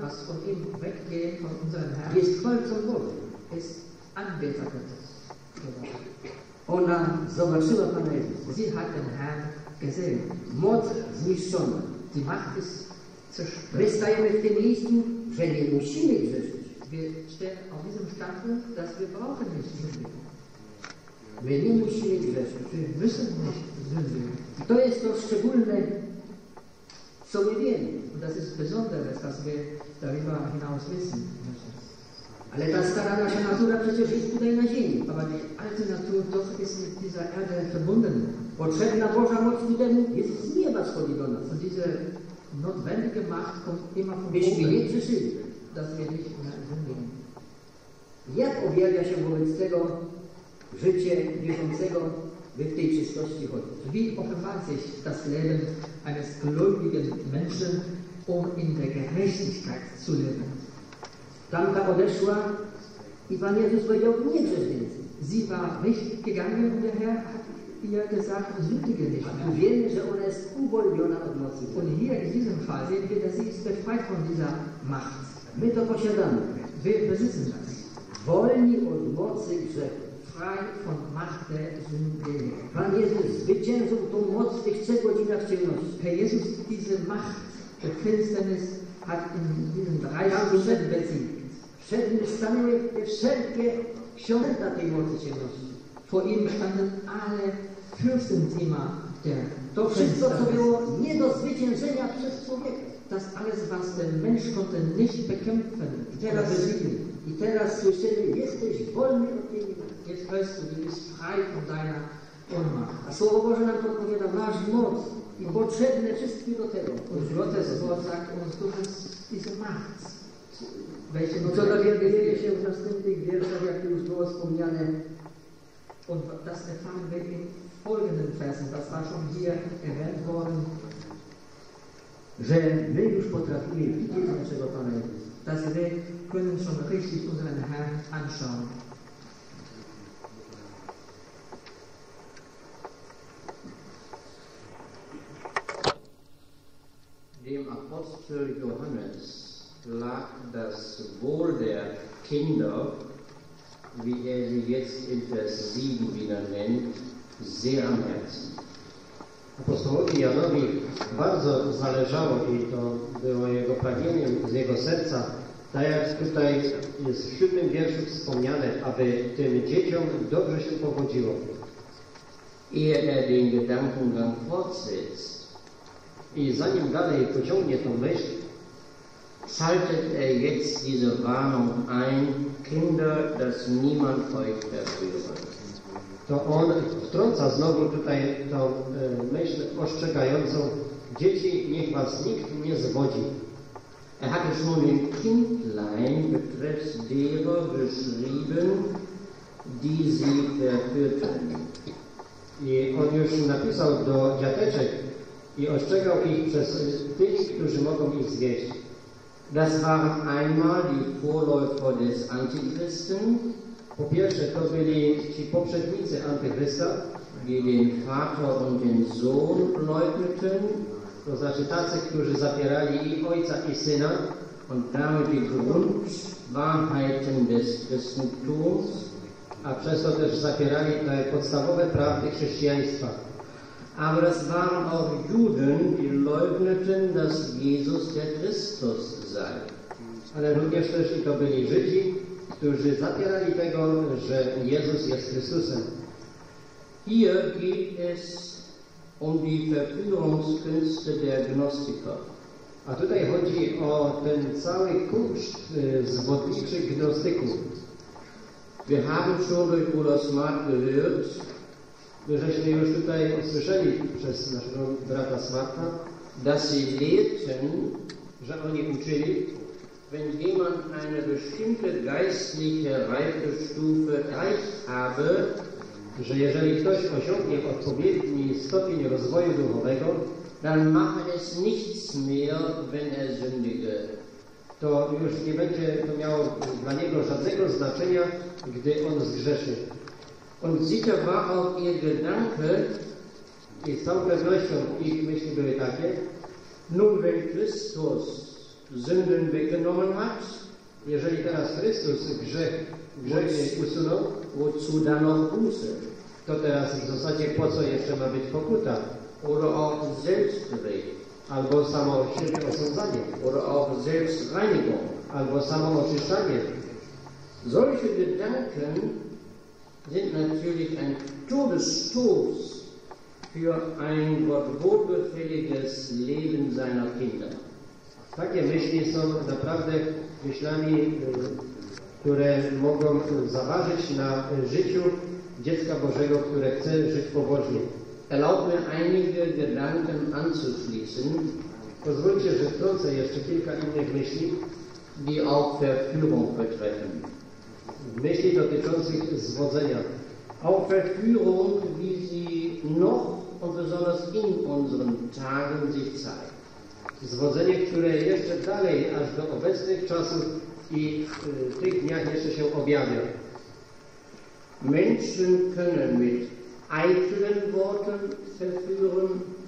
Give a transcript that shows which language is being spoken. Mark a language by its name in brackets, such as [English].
[German] was von ihm weggeht, von unserem Herrn, [Polish] jest chwalcą Boga. Jest [German] anbieter Gottes. [Polish] Ona zobaczyła Pana Jezusa. [German] Sie hat den Herrn gesehen. [Polish] Moc zniszczona. [German] Die Macht ist zerstört. [Polish] My stajemy w tym miejscu, że nie musimy grzeszyć. [German] Wir stehen auf diesem Standpunkt, dass wir brauchen nicht sündigen. [Polish] My nie musimy grzeszyć. [German] Wir müssen nicht sündigen. [Polish] I to jest to szczególne, co my wiemy. [German] Und das ist besonderes, was wir darüber hinaus wissen. [Polish] Ale ta stara nasza natura przecież jest tutaj na ziemi. [German] Aber die alte Natur doch ist mit dieser Erde verbunden. [Polish] Potrzebna Boża moc ku temu jest z nieba schodzi do nas. [German] Und diese notwendige Macht kommt immer von oben. [Polish] Byśmy nie przeszyli. [German] Dass wir nicht mehr sündigen. [Polish] Jak objawia się wobec tego życie wierzącego, by w tej czystości chodzić? [German] Wie offenbart sich das Leben eines gläubigen Menschen, um in der Gerechtigkeit zu leben? [Polish] Tamta odeszła i Pan Jezus powiedział, nie grzesz więcej. [German] Sie war nicht gegangen und der Herr hat ihr gesagt, sündige nicht. [Polish] A tu wiemy, że ona jest uwolniona od mocy. [German] Und hier in diesem Fall sehen wir, dass sie ist befreit von dieser Macht. [Polish] My to posiadamy. [German] Wir besitzen das. [Polish] Wolni od mocy grzechu. [German] Frei von Macht der Sünde. [Polish] Pan Jezus zwyciężył tą moc w tych trzech godzinach ciemności. [German] Herr Jezus, diese Macht der Finsternis hat in diesen drei Stunden besiegt. [Polish] Wszelkie książęta tej mocy ciemności. [German] Vor ihm standen alle Fürsten immer der [Polish] to wszystko, co było nie do zwyciężenia przez człowieka. [German] Das alles, was der Mensch konnte nicht bekämpfen, [Polish] i teraz słyszymy, jesteś wolny od tej niewoli. [German] Jetzt hörst du, du bist frei von deiner Ohnmacht. [Polish] A Słowo Boże nam podpowiada, masz moc i potrzebne wszystkim do tego. [German] Und Gottes Wort sagt uns, du hast diese Macht. Welchen [Polish] co dowiaduje się w następnych wierszach, jak już było wspomniane. [German] Und das erfahren wir in folgenden Versen, das war schon hier erwähnt worden. [Polish] Że my już potrafimy widzieć naszego Pana Jezusa. [German] Dass wir können schon richtig unseren Herrn anschauen. Dem Apostel Johannes lag das Wohl der Kinder, wie er sie jetzt in Vers 7 wieder nennt, sehr am Herzen. [Polish] Apostołowi Janowi bardzo zależało i to było jego pragnieniem z jego serca, tak jak tutaj jest w 7 wierszu wspomniane, aby tym dzieciom dobrze się powodziło. [German] Ehe er den Gedankengang fortsetzt, [Polish] i zanim dalej pociągnie tą myśl, [German] schaltet er jetzt diese Warnung ein, Kinder, dass niemand euch verführe. [Polish] To on wtrąca znowu tutaj tą myśl ostrzegającą, dzieci, niech was nikt nie zwodzi. [German] Er hat es schon im Kindlein betreffs derer geschrieben, die sie verführten. [Polish] I on już napisał do dziateczek i ostrzegał ich przez tych, którzy mogą ich zwieść. [German] Das waren einmal die Vorläufer des Antichristen. [Polish] Po pierwsze, to byli ci poprzednicy Antychrysta, [German] die den Vater und den Sohn leugneten, [Polish] to znaczy tacy, którzy zapierali i ojca, i syna, [German] und damit die Grundwahrheiten des Christentums, [Polish] a przez to też zapierali te podstawowe prawdy chrześcijaństwa. [German] Aber es waren auch Juden, die leugneten, dass Jesus der Christus sei. [Polish] Ale również też i to byli Żydzi, którzy zapierali tego, że Jezus jest Chrystusem. [German] Hier geht es um die Verführungskünste der Gnostiker. [Polish] A tutaj chodzi o ten cały kunszt zwodniczych gnostyków. [German] Wir haben schon durch Bruder Smart gehört. [Polish] My żeśmy już tutaj usłyszeli przez naszego brata Smarta, [German] dass sie lehrten, [Polish] że oni uczyli, [German] wenn jemand eine bestimmte geistliche Reifestufe erreicht habe, [Polish] że jeżeli ktoś osiągnie odpowiedni stopień rozwoju duchowego, [German] dann mache es nichts mehr, wenn er sündige. [Polish] To już nie będzie to miało dla niego żadnego znaczenia, gdy on zgrzeszy. [German] Und sicher war auch ihr Gedanke, [Polish] i z całą pewnością ich myśli były takie, [German] nun wenn Christus Sünden weggenommen hat, [Polish] jeżeli teraz Chrystus grzech usunął, [German] wozu dann noch Buße? [Polish] To teraz w zasadzie po co jeszcze ma być pokuta? [German] Oder auch Selbstgericht. [Polish] Albo samo siebie osądzanie. [German] Oder auch Selbstreinigung. [Polish] Albo samo oczyszczanie. [German] Solche Gedanken sind natürlich ein Todesstoß für ein Gott wohlgefälliges Leben seiner Kinder. [Polish] Takie myśli są naprawdę myślami, które mogą zaważyć na życiu dziecka Bożego, które chce żyć pobożnie. [German] Erlaub mir einige Gedanken anzuschließen. [Polish] Pozwólcie, że wtrącę jeszcze kilka innych myśli, [German] die auch Verführung betreffen. [Polish] Myśli dotyczących zwodzenia. [German] Auch Verführung, wie sie noch und besonders in unseren Tagen sich zeigt. [Polish] Zwodzenie, które jeszcze dalej, aż do obecnych czasów i w tych dniach jeszcze się objawia. [German] Menschen können mit eitlen Worten verführen.